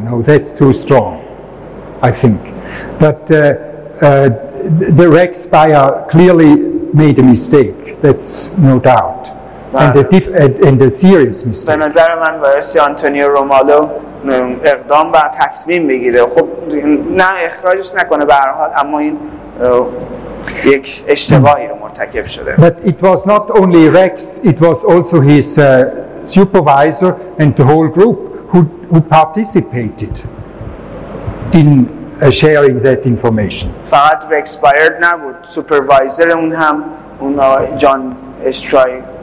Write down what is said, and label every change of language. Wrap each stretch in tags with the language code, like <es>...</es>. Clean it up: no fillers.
<en>No, that's too strong, I think. But the Rex Beyer clearly made a mistake. That's no doubt. And a serious mistake.</en> <fa>به نظر من بایستی آنتونیو رومالو اقدام و تصمیم بگیره، خب نه اخراجش نکنه به هر حال، اما این یک اشتباهی رو مرتکب شده.</fa> <en>But it was not only Rex, it was also his supervisor and the whole group who participated in sharing that information.</en> <fa>فقط Rex Beyer نبود، سوپروایزر اون هم، اون جان استرایک.</fa>